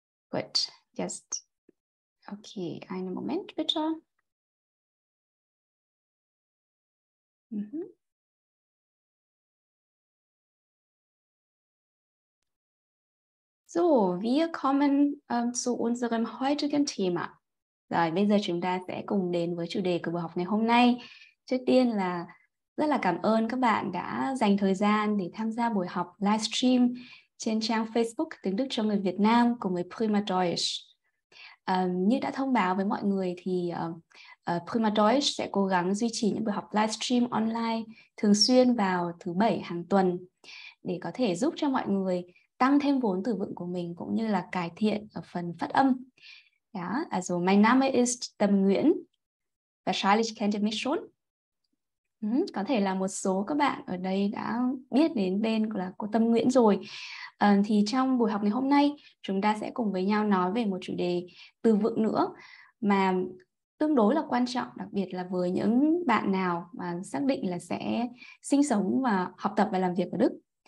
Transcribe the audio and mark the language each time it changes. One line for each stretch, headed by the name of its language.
German: Gut, jetzt. Okay, einen Moment bitte. So, wir kommen zu unserem heutigen Thema.
Vietnamese: Rồi, bây giờ chúng ta sẽ cùng đến với chủ đề của buổi học ngày hôm nay. Trước tiên là rất là cảm ơn các bạn đã dành thời gian để tham gia buổi học livestream trên trang Facebook Tiếng Đức cho người Việt Nam cùng với Prima Deutsch. Như đã thông báo với mọi người thì Prima Deutsch sẽ cố gắng duy trì những buổi học livestream online thường xuyên vào thứ bảy hàng tuần để có thể giúp cho mọi người tăng thêm vốn từ vựng của mình cũng như là cải thiện ở phần phát âm.
German: Ja, also mein Name ist Tâm Nguyễn. Wahrscheinlich kennt ihr mich schon.
Vietnamese: Có thể là một số các bạn ở đây đã biết đến tên là cô Tâm Nguyễn rồi. Thì trong buổi học ngày hôm nay, chúng ta sẽ cùng với nhau nói về một chủ đề từ vựng nữa mà tương đối là quan trọng, đặc biệt là với những bạn nào mà xác định là sẽ sinh sống và học tập và làm việc ở Đức.